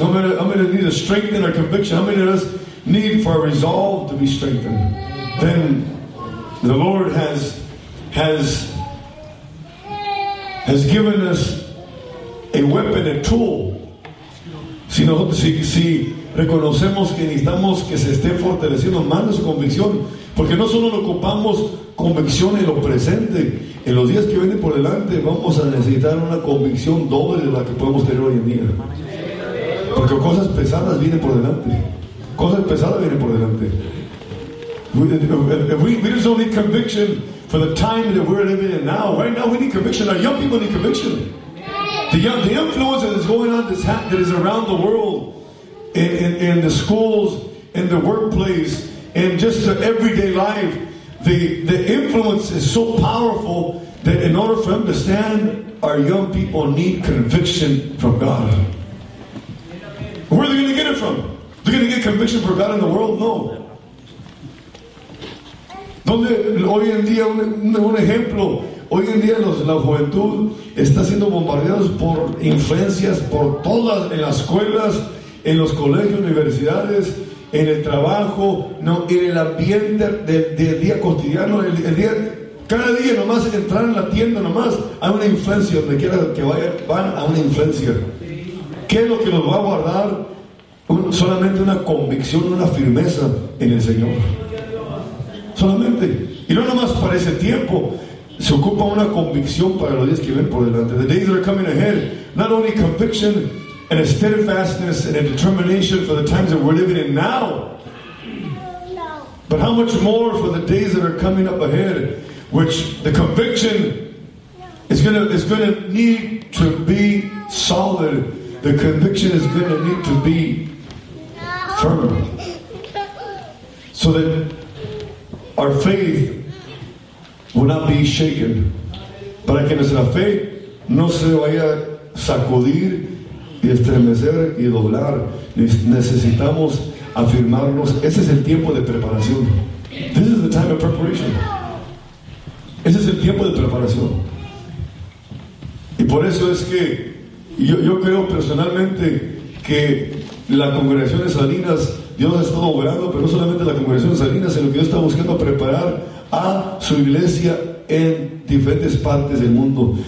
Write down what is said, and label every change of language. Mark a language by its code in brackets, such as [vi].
[en] How many of us need to strengthen our conviction? How many of us need for our resolve to be strengthened? Then the Lord has given us a weapon, a tool. [es] Si reconocemos que necesitamos que se esté fortaleciendo más nuestra convicción, porque no solo ocupamos convicción en lo presente, en los días que vienen por delante vamos a necesitar una convicción doble de la que podemos tener hoy en día, porque cosas pesadas vienen por delante. Cosas pesadas vienen por delante. [en] We just don't need conviction for the time that we're living in now. Right now we need conviction. Our young people need conviction. The influence that is going on, that is around the world, in the schools, in the workplace, in just the everyday life, the influence is so powerful that in order for them to stand, our young people need conviction from God. Where are they going to get it from? Are they going to get conviction for God in the world? No. [es] Donde hoy en día, un ejemplo, hoy en día la juventud está siendo bombardeada por influencias por todas, en las escuelas, en los colegios, universidades, en el trabajo, no, en el ambiente del día cotidiano, el día, cada día nomás entrar en la tienda nomás, hay una influencia, donde quiera que vaya, van a una influencia. ¿Qué es lo que nos va a guardar? Solamente una convicción, una firmeza en el Señor. Solamente. Y no nomás para ese tiempo. Se ocupa una convicción para los días que vienen por delante. [en] The days that are coming ahead. Not only conviction and a steadfastness and a determination for the times that we're living in now, but how much more for the days that are coming up ahead, which the conviction is going to need to be solid. The conviction is going to need to be firm, so that our faith will not be shaken. [es] Para que nuestra fe no se vaya a sacudir y estremecer y doblar, necesitamos afirmarnos. Ese es el tiempo de preparación. [en] This is the time of preparation. [es] Ese es el tiempo de preparación. Y por eso es que yo creo personalmente que la congregación de Salinas, Dios ha estado obrando, pero no solamente la congregación de Salinas, sino que Dios está buscando preparar a su iglesia en diferentes partes del mundo.